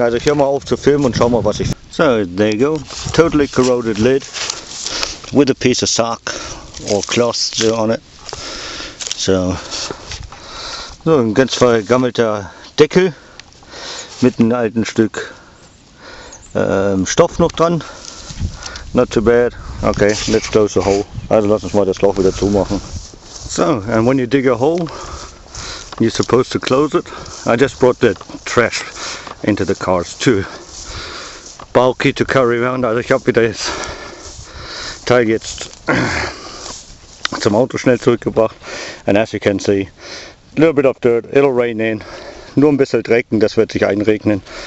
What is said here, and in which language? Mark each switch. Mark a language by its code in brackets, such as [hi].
[de] Also hör mal auf zu filmen und schau mal, was ich... [en] So, there you go. Totally corroded lid with a piece of sock or cloth on it. [de] So ein ganz vergammelter Deckel mit einem alten Stück Stoff noch dran. [en] Not too bad. Okay, let's close the hole. [de] Also lass uns mal das Loch wieder zumachen. [en] So, and when you dig a hole, you're supposed to close it. I just brought the trash into the car. It's too bulky to carry around. [de] Also ich habe wieder das Teil jetzt zum Auto schnell zurückgebracht. [en] And as you can see, a little bit of dirt, it'll rain in. [de] Nur ein bisschen Drecken, das wird sich einregnen.